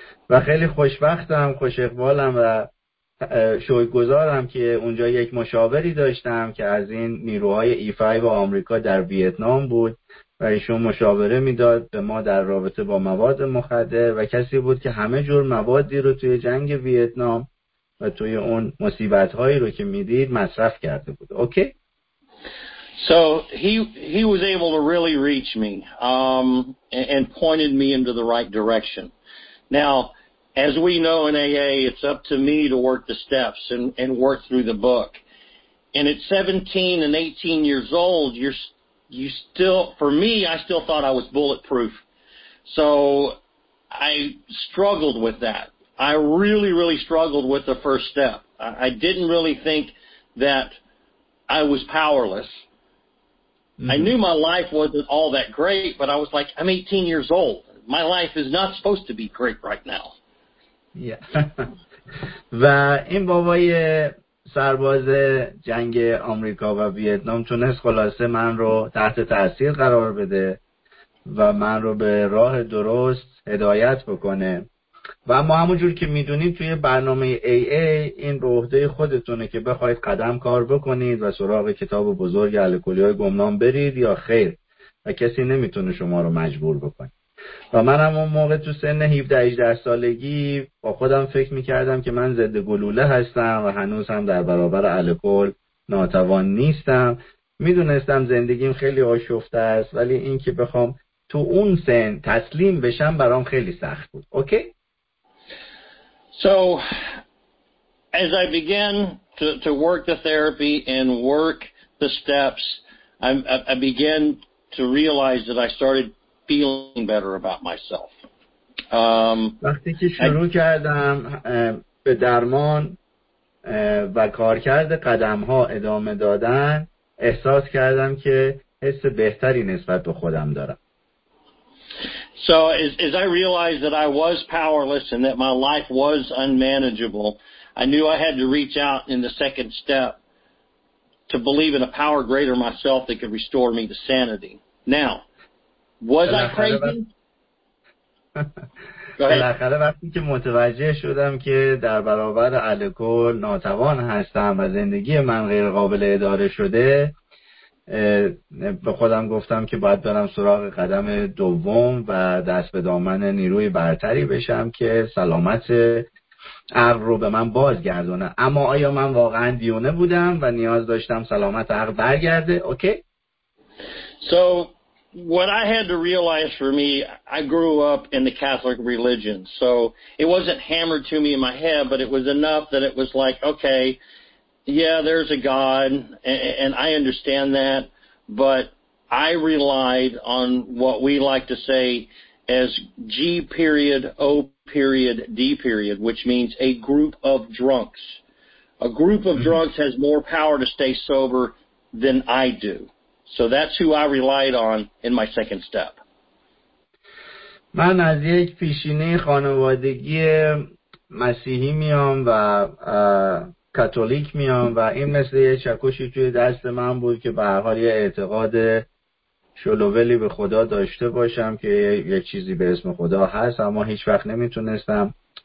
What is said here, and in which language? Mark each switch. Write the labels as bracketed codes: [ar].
[fa] و خیلی خوشبختم، خوش اقبالم و شکرگزارم که اونجا یک مشاوری داشتم که از این نیروهای ای‌5 و آمریکا در ویتنام بود و ایشون مشاوره میداد به ما در رابطه با مواد مخدر و کسی بود که همه جور موادی رو توی جنگ ویتنام و توی اون مصیبت‌هایی رو که میدید مصرف کرده بود. اوکی؟ [en] So he was able to really reach me and pointed me into the right direction. Now, as we know in AA, it's up to me to work the steps and work through the book. And at 17 and 18 years old, I still thought I was bulletproof. So I struggled with that. I really, really struggled with the first step. I didn't really think that I was powerless. I knew my life wasn't all that great, but I was like, I'm 18 years old. My life is not supposed to be great right now. Yeah. [fa] و این بابای سرباز جنگ آمریکا و ویتنام تونست خلاصه من رو تحت تأثیر قرار بده و من رو به راه درست هدایت بکنه. و اما همونجور که میدونید توی برنامه AA این به عهده خودتونه که بخواید قدم کار بکنید و سراغ کتاب بزرگ الکلی های گمنام برید یا خیر، و کسی نمیتونه شما رو مجبور بکنه. و من هم اون موقع تو سن 17-18 سالگی با خودم فکر میکردم که من ضد گلوله هستم و هنوز هم در برابر الکل ناتوان نیستم. میدونستم زندگیم خیلی آشفته است، ولی این که بخوام تو اون سن تسلیم بشم برام خیلی سخت بود. اوکی؟ [en] So as I began to work the therapy and work the steps, I began to realize that I started feeling better about myself. [fa] وقتی که شروع کردم به درمان و کار کرد قدم ها ادامه دادن، احساس کردم که حس بهتری نسبت به خودم دارم. [en] So as I realized that I was powerless and that my life was unmanageable, I knew I had to reach out in the second step to believe in a power greater myself that could restore me to sanity. Now, was I crazy? [fa] بالاخره وقتی که متوجه شدم که در برابر الکل ناتوان هستم و زندگی من غیر قابل اداره شده، به خودم گفتم که باید برم سراغ قدم دوم و دست به دامن نیروی برتری بشم که سلامت عقل رو به من بازگردونه. اما آیا من واقعا دیونه بودم و نیاز داشتم سلامت عقل برگرده؟ اوکی؟ [en] So what I had to realize for me, I grew up in the Catholic religion, so it wasn't hammered to me in my head, but it was enough that it was like, okay, yeah, there's a God, and I understand that, but I relied on what we like to say as G period, O period, D period, which means a group of drunks. A group of drunks has more power to stay sober than I do. So that's who I relied on in my second step. [fa] من از یک پیشینه خانوادگی مسیحی میام و کاتولیک میام و این مثل یه چکشی توی دست من بود که به هر حال یه اعتقاد شلوولی به خدا داشته باشم که یه چیزی به اسم خدا هست، اما هیچ وقت نمیتونستم